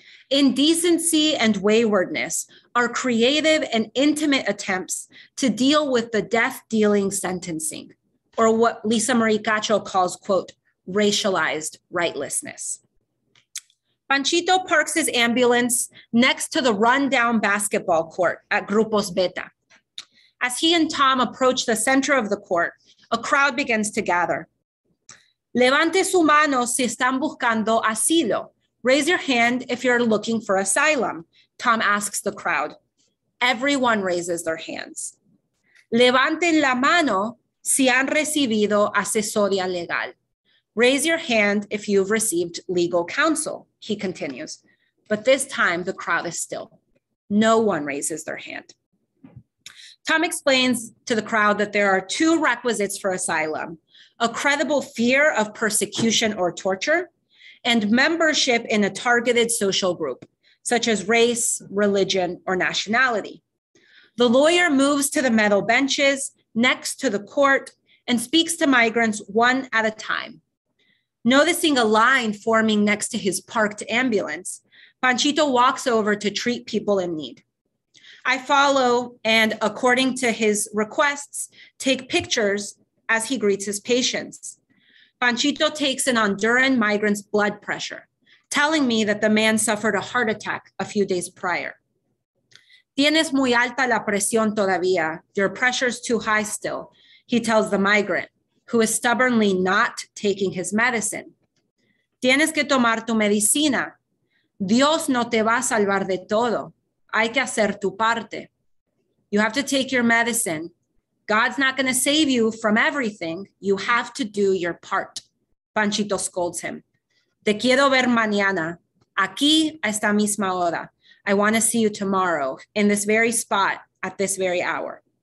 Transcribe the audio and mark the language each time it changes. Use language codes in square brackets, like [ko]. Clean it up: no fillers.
[en] Indecency and waywardness are creative and intimate attempts to deal with the death-dealing sentencing, or what Lisa Marie Cacho calls, quote, racialized rightlessness. Panchito parks his ambulance next to the rundown basketball court at Grupos Beta. As he and Tom approach the center of the court, a crowd begins to gather. [es] Levante su mano si están buscando asilo. [en] Raise your hand if you're looking for asylum, Tom asks the crowd. Everyone raises their hands. [es] Levanten la mano si han recibido asesoría legal. [en] Raise your hand if you've received legal counsel, he continues. But this time the crowd is still. No one raises their hand. Tom explains to the crowd that there are two requisites for asylum, a credible fear of persecution or torture, and membership in a targeted social group, such as race, religion, or nationality. The lawyer moves to the metal benches next to the court and speaks to migrants one at a time. Noticing a line forming next to his parked ambulance, Panchito walks over to treat people in need. I follow and, according to his requests, take pictures as he greets his patients. Panchito takes an Honduran migrant's blood pressure, telling me that the man suffered a heart attack a few days prior. [es] Tienes muy alta la presión todavía. [en] Your pressure's too high still, he tells the migrant, who is stubbornly not taking his medicine. [es] Tienes que tomar tu medicina. Dios no te va a salvar de todo. Hay que hacer tu parte. [en] You have to take your medicine. God's not going to save you from everything. You have to do your part. Panchito scolds him. [es] Te quiero ver mañana. Aquí a esta misma hora. [en] I want to see you tomorrow in this very spot at this very hour.